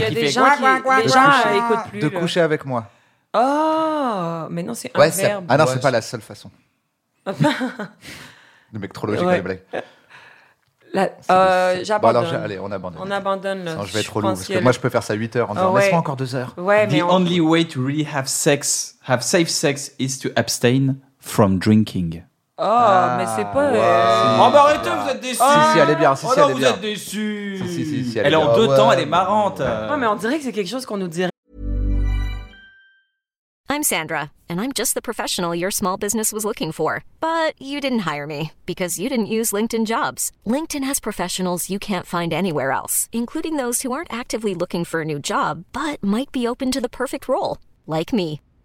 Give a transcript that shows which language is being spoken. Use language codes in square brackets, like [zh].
[fr] Il y a des gens qui écoutent plus. De coucher avec moi. Oh, mais non, c'est un verbe. Ah non, c'est pas la seule façon. Le mec trop logique, les blagues. J'abandonne. Bon, alors, allez, on abandonne. On abandonne. Là. Non, je vais être trop long. Parce que moi, je peux faire ça 8 heures en disant, laisse-moi encore 2 heures. Ouais, [en] the only way to really have safe sex is to abstain from drinking. [fr] Oh, ah, mais c'est pas. Wow. Oh, bah arrêtez, vous êtes déçus. Si, elle est bien. Vous êtes déçus. Elle est en deux temps, elle est marrante. Non, mais on dirait que c'est quelque chose qu'on nous dirait. [en] I'm Sandra, and I'm just the professional your small business was looking for. But you didn't hire me, because you didn't use LinkedIn Jobs. LinkedIn has professionals you can't find anywhere else, including those who aren't actively looking for a new job, but might be open to the perfect role, like me.